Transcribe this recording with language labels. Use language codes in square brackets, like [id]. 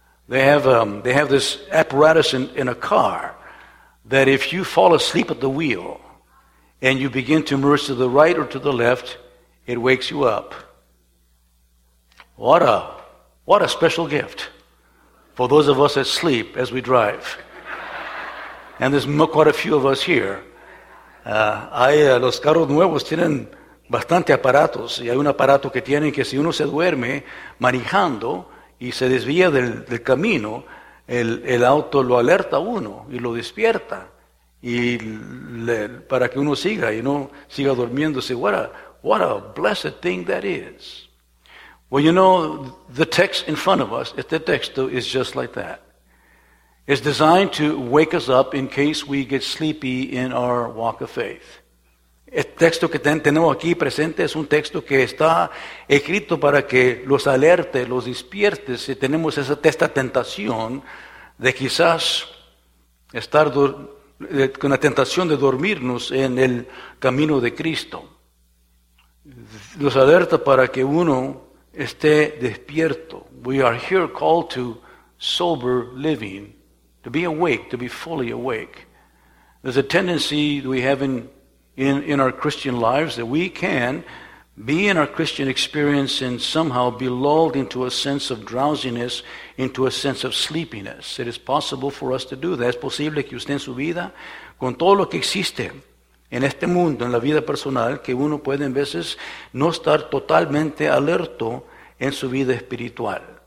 [en] They have this apparatus in a car that if you fall asleep at the wheel and you begin to merge to the right or to the left, it wakes you up. What a special gift for those of us that sleep as we drive. And there's quite a few of us here. [es] Los carros nuevos tienen bastante aparatos, y hay un aparato que tienen que si uno se duerme manejando y se desvía del camino, el auto lo alerta a uno y lo despierta. Y para que uno siga y no siga durmiéndose. [en] What a blessed thing that is. Well, you know, the text in front of us, [es] este texto, [en] is just like that. It's designed to wake us up in case we get sleepy in our walk of faith. [es] El texto que tenemos aquí presente es un texto que está escrito para que los alerte, los despierte, si tenemos esta tentación de quizás estar con la tentación de dormirnos en el camino de Cristo. Nos alerta para que uno esté despierto. [en] We are here called to sober living, to be awake, to be fully awake. There's a tendency we have in our Christian lives that we can be in our Christian experience and somehow be lulled into a sense of drowsiness, into a sense of sleepiness. It is possible for us to do that. [es] Es posible que usted en su vida, con todo lo que existe en este mundo, en la vida personal, que uno puede en veces no estar totalmente alerto en su vida espiritual.